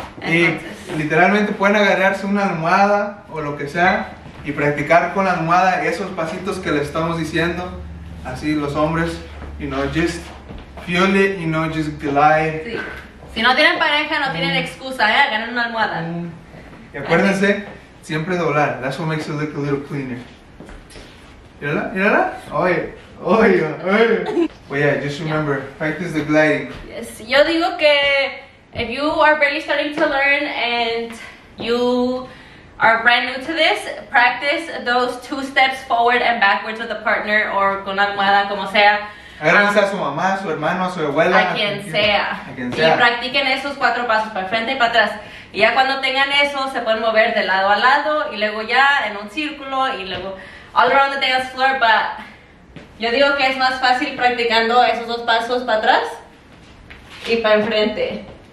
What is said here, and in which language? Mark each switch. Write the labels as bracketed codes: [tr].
[es] Entonces. Y literalmente pueden agarrarse una almohada o lo que sea y practicar con la almohada esos pasitos que les estamos diciendo. Así los hombres, [en] you know, just feel it, you know, just glide. [es] Sí. Si no tienen pareja, no tienen excusa, ¿eh? Agarren una almohada. Y acuérdense, así. Siempre doblar. [en] That's what makes it look a little cleaner. [es] ¿Mírala? ¿Mírala? Oye. [en] Oh yeah, just remember, practice the gliding. Yes, [es] yo digo que [en] if you are barely starting to learn and you are brand new to this, practice those two steps forward and backwards with a partner or [es] con la almohada, como sea. Agradece a su mamá, a su hermano, a su abuela. A quien sea. Y practiquen esos cuatro pasos, para frente y para atrás. Y ya cuando tengan eso, se pueden mover de lado a lado y luego ya en un círculo y luego [en] all around the dance floor, but... [es] Yo digo que es más fácil practicando esos dos pasos para atrás y para enfrente.